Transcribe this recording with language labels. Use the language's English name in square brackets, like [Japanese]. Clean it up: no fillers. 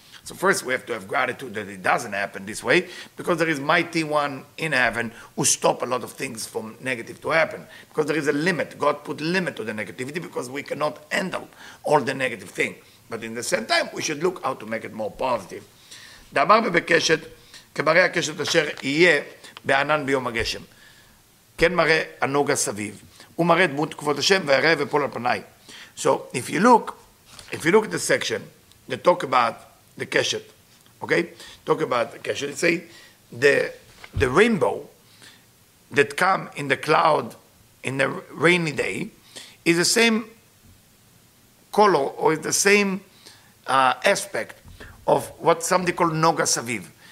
[English] So first we have to have gratitude that it doesn't happen this way, because there is mighty one in heaven who stop a lot of things from negative to happen, because there is a limit. God put a limit to the negativity because we cannot handle all the negative thing. But in the same time, we should look how to make it more positive. [Hebrew] דאמר בבקשת, כמראה הקשת אשר יהיה בענן ביום הגשם. כן מראה הנוגה סביב. הוא מראה דמות כבוד השם והראה ופול על פניי. [English] So if you look at the section, they talk about the קשת, okay? Talk about the קשת, say the rainbow that come in the cloud in the rainy day is the same color or is the same aspect of what somebody called noga saviv.